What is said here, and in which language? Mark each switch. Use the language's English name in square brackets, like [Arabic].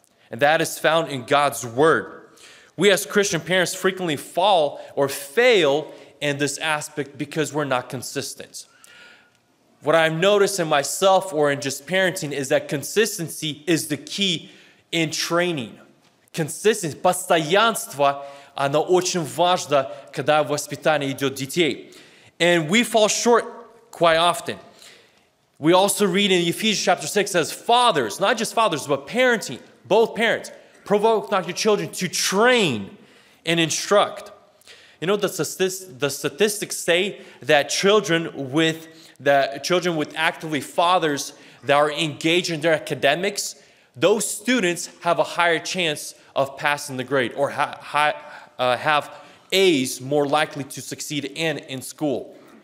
[English] And that is found in God's word. We as Christian parents frequently fall or fail in this aspect because we're not consistent. What I've noticed in myself or in just parenting is that consistency is the key in training. [Russian] Consistency, постоянство, оно очень важно, когда воспитание идет детей. [English] And we fall short quite often. We also read in Ephesians chapter 6 says, fathers, not just fathers, but parenting, both parents, provoke not your children to train and instruct. You know, the statistics say that children with actively fathers that are engaged in their academics, those students have a higher chance of passing the grade or have A's more likely to succeed in school.